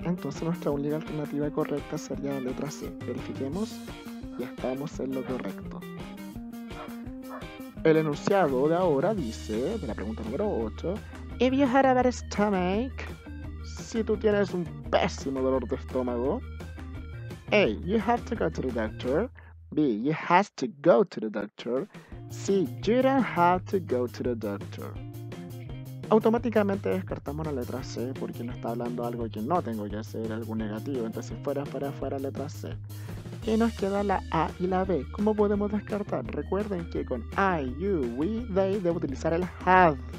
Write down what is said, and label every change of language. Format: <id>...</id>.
<es>Entonces nuestra única alternativa correcta sería la letra C. Verifiquemos y estamos en lo correcto. El enunciado de ahora dice, de la pregunta número 8,</es> <en>if you had a bad stomach,</en> <es>si tú tienes un pésimo dolor de estómago, A.</es> <en>You have to go to the doctor. B. You have to go to the doctor. C. You don't have to go to the doctor.</en> <es>Automáticamente descartamos la letra C porque nos está hablando algo que no tengo que hacer, algo negativo. Entonces fuera letra C. Y nos queda la A y la B. ¿Cómo podemos descartar? Recuerden que con I, you, we, they debo utilizar el have.</es>